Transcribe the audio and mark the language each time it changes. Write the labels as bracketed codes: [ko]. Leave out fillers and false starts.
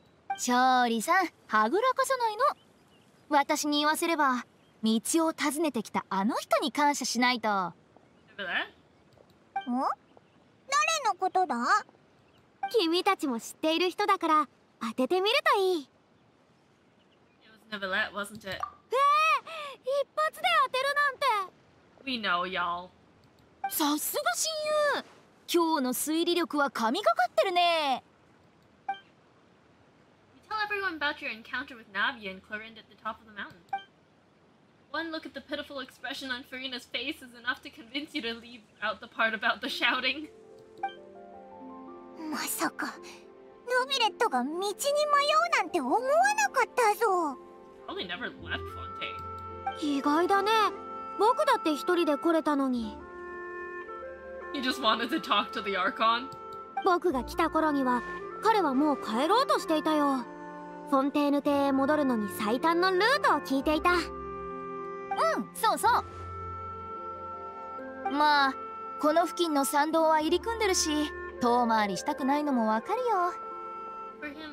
[ja] 勝利さん、はぐらかさないの。私に言わせれば、道を訪ねてきたあの人に感謝しないと。ん？誰のことだ？君たちも知っている人だから当ててみるといい。 [en] It was Nevillette, wasn't it? [ja] 一発で当てるなんて。 [en] We know, y'all. [ja] さすが親友、今日の推理力は神がかってるね。 [en] You tell everyone about your encounter with Navi and Clorinde at the top of the mountain. One look at the pitiful expression on Farina's face is enough to convince you to leave out the part about the shouting. [ja] まさか、ノビレットが道に迷うなんて思わなかったぞ。 [en] Probably never left Fontaine. [ja] 意外だね。僕だって一人で来れたのに。 [en] You just wanted to talk to the Archon? [ja] 僕が来た頃には、彼はもう帰ろうとしていたよ。フォンテーヌ邸へ戻るのに最短のルートを聞いていた。うん、そうそう。まあ、この付近の参道は入り組んでるし、遠回りしたくないのもわかるよ。